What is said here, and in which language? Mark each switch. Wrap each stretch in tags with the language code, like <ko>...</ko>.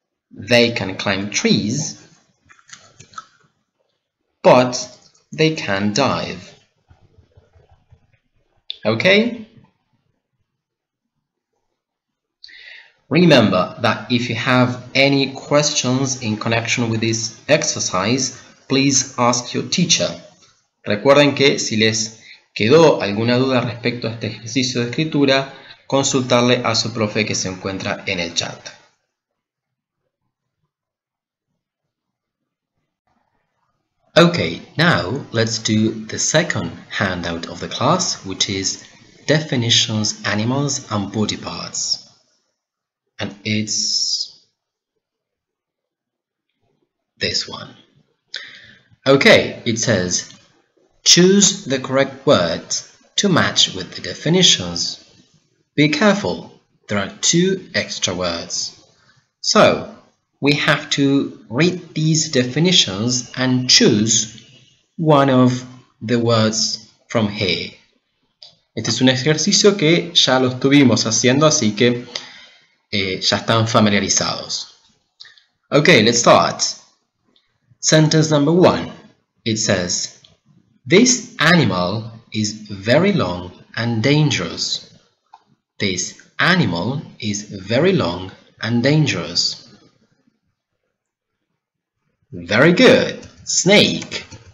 <en>They can climb trees, but they can dive. Okay? Remember that if you have any questions in connection with this exercise, please ask your teacher.</en> <es>Recuerden que si les quedó alguna duda respecto a este ejercicio de escritura, consultarle a su profe que se encuentra en el chat.</es> <en>Okay, now let's do the second handout of the class, which is definitions, animals, and body parts. And it's this one. Okay, it says, choose the correct words to match with the definitions. Be careful, there are two extra words. So, we have to read these definitions and choose one of the words from here.</en> <es>Este es un ejercicio que ya lo estuvimos haciendo, así que ya están familiarizados.</es> <en>Okay, let's start. Sentence number one. It says, this animal is very long and dangerous. This animal is very long and dangerous. Very good, snake.</en>